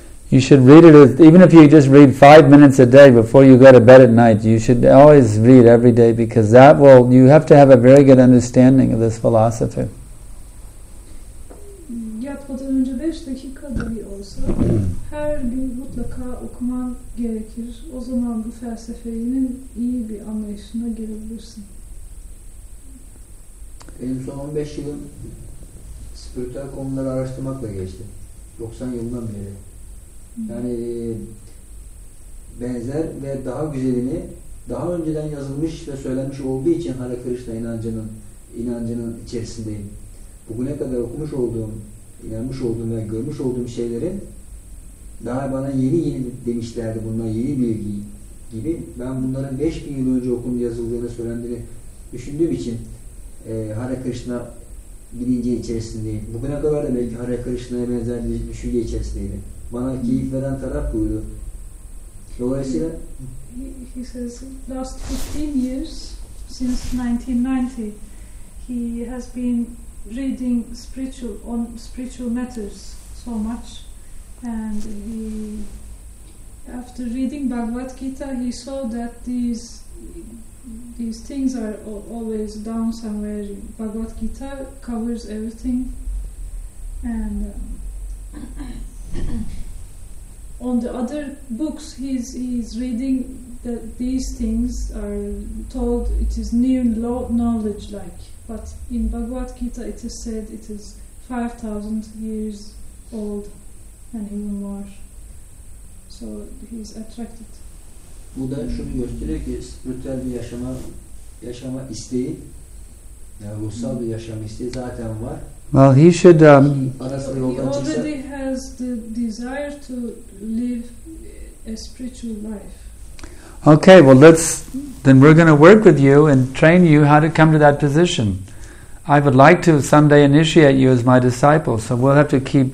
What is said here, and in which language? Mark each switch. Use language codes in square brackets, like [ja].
[en] You should read it, even if you just read 5 minutes a day before you go to bed at night. You should always read every day because that will, you have to have a very good understanding of this philosophy. [tr] Yatmadan önce 5 dakika bile olsa her gün mutlaka okuman gerekir. O zaman bu felsefenin iyi bir anlayışına girebilirsin. Benim son 15 yılım spiritüel konuları araştırmakla geçti. 90 yılından beri. Yani benzer ve daha güzelini daha önceden yazılmış ve söylenmiş olduğu için Hare Krishna inancının içerisindeyim. Bugüne kadar okumuş olduğum, inanmış olduğum ve görmüş olduğum şeylerin Daha bana yeni yeni demişlerdi bunlar yeni bilgi gibi. Ben bunların 5000 yıl önce okum yazıldığını söylendiğini düşündüğüm için Hare Krishna bilinci içerisindeyim. Bugüne kadar da belki Hare Krishna'ya benzer bir düşünce içerisindeydim. Bana keyif veren taraf buydu. Dolayısıyla [en] he says last 15 years since 1990 he has been reading spiritual matters so much, and he after reading Bhagavad Gita he saw that these things are always down somewhere. Bhagavad Gita covers everything, and on the other books he's reading that these things are told it is near knowledge like, but in Bhagavad Gita it is said it is 5,000 years old and even more. So he's attracted. [tr] Bu da şunu gösteriyor ki spiritüel bir yaşama isteği, yani ruhsal bir yaşam isteği zaten var. [en] Well, he should. He already has the desire to live a spiritual life. Okay, well, then we're going to work with you and train you how to come to that position. I would like to someday initiate you as my disciple. So we'll have to keep.